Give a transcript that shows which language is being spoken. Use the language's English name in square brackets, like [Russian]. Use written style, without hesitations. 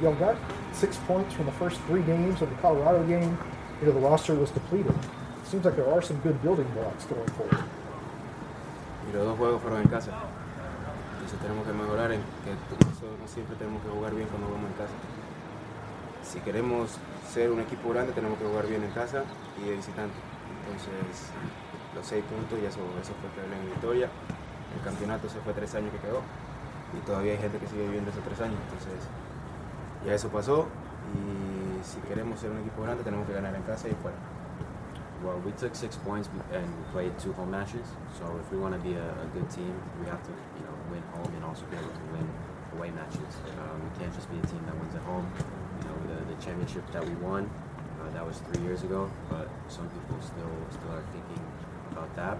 [English] Y'all got 6 points from the first three games of the Colorado game. You know, the roster was depleted. Seems like there are some good building blocks going forward. [Spanish] Y los dos juegos fueron en casa. Entonces tenemos que mejorar en que no siempre tenemos que jugar bien cuando vamos en casa. Si queremos ser un equipo grande, tenemos que jugar bien en casa y de visitante. Entonces, los 6 puntos, y eso fue clave en victoria. El campeonato se fue 3 años que quedó. Y todavía hay gente que sigue viviendo esos 3 años. Entonces, ya eso pasó. Y si queremos ser un equipo grande, tenemos que ganar en casa y fuera. [English] Well, we took 6 points and we played 2 home matches. So if we want to be a good team, we have to, you know, win home and also be able to win away matches. We can't just be a team that wins at home. You know, the championship that we won, that was 3 years ago. But some people still are thinking about that.